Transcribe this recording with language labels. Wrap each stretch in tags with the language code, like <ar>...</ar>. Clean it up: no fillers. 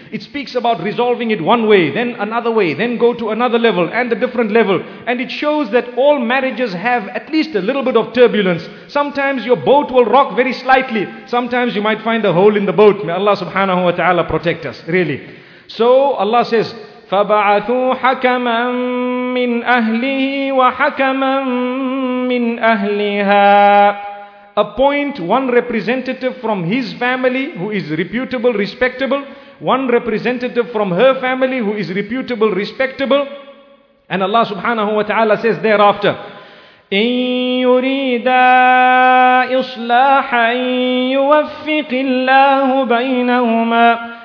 <en>It speaks about resolving it one way, then another way, then go to another level and a different level. And it shows that all marriages have at least a little bit of turbulence. Sometimes your boat will rock very slightly. Sometimes you might find a hole in the boat. May Allah subhanahu wa ta'ala protect us, really. So Allah says,</en> <ar>فبعثوا حكما من أهله وحكما من أهلها.</ar> <en>Appoint one representative from his family who is reputable, respectable. One representative from her family who is reputable, respectable. And Allah subhanahu wa ta'ala says thereafter,</en> <ar>إِن يُرِيدَا إِصْلَاحًا يُوَفِّقِ اللَّهُ بَيْنَهُمَا.</ar>